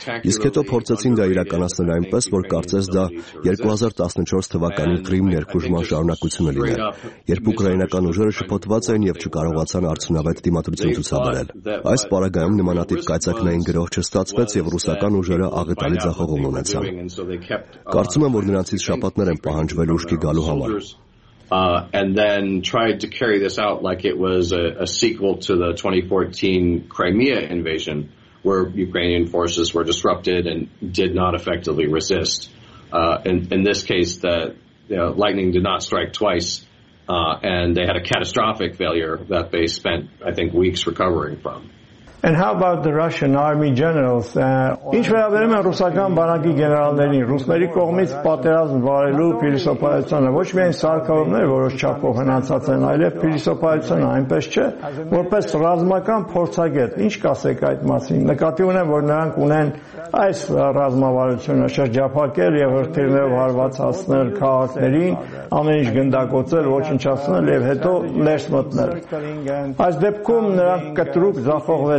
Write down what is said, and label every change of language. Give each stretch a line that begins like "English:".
Armenian: իսկ հետո փորձեցին դա իրականացնել այնպես, որ կարծես դա 2014 թվականի Կրիմ ներխուժման շարունակությունը լիներ, երբ ուկրաինական ուժերը շփոթված էին եւ չկարողացան արդյունավետ դիմադրություն ցուցաբերել։ Այս պարագայում նմանատիպ կայծակնային գրոհ չստացվեց եւ ռուսական ուժերը աղետալի ձախողում ունեցան։ Կարծում եմ, որ նրանցից շապատներ են պահանջվել ուշքի գալու համար։
English: And then tried to carry this out like it was a sequel to the 2014 Crimea invasion, where Ukrainian forces were disrupted and did not effectively resist. In this case, the lightning did not strike twice. And they had a catastrophic failure that they spent, I think, weeks recovering from. And how about the Russian army generals?
Armenian: Ինչ վերաբերում է ռուսական բանակի գեներալներին, ռուսների կողմից պատերազմ վարելու փիլիսոփայությանը, ոչ միայն սարկավորները որոշ չափով հնացած են, այլև փիլիսոփայությունը այնպես չէ, որպես ռազմական փորձագետ, ինչ կասեք այդ մասին, նկատի ունեմ, որ նրանք ունեն այս ռազմավարությունը շրջափակել եւ հրթիռներով հարվածացնել քաղաքներին, ամեն ինչ գնդակոծել, ոչնչացնել եւ հետո ներս մտնել։ Այս դեպքում նրանք կտրուկ զախող